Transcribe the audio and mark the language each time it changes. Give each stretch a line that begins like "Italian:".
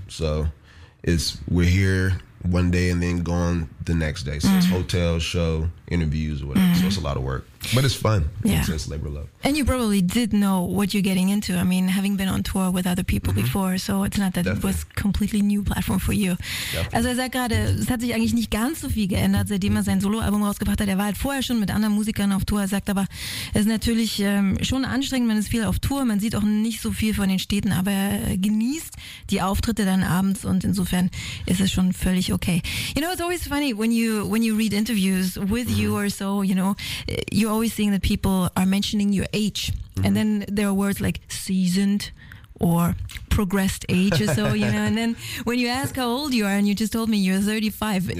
English: So we're here one day and then gone the next day. So mm-hmm. it's hotel, show, interviews, or whatever. Mm-hmm. So it's a lot of work. But it's fun. Yeah. It's labor love. And you probably did know what you're getting into. I mean, having been on tour with other people mm-hmm. before, so it's not that definitely. It was completely new platform for you. Definitely.
German: Also er sagt gerade, es hat sich eigentlich nicht ganz so viel geändert, seitdem er sein Soloalbum rausgebracht hat. Er war halt vorher schon mit anderen Musikern auf Tour. Er sagt aber, es ist natürlich schon anstrengend, man ist viel auf Tour, man sieht auch nicht so viel von den Städten, aber er genießt die Auftritte dann abends, und insofern ist es schon völlig okay.
English: You know, it's always funny when you read interviews with you or so, you know, you're always seeing that people are mentioning your age, mm-hmm. and then there are words like seasoned or progressed age or so, you know, and then when you ask how old you are, and you just told me you're 35,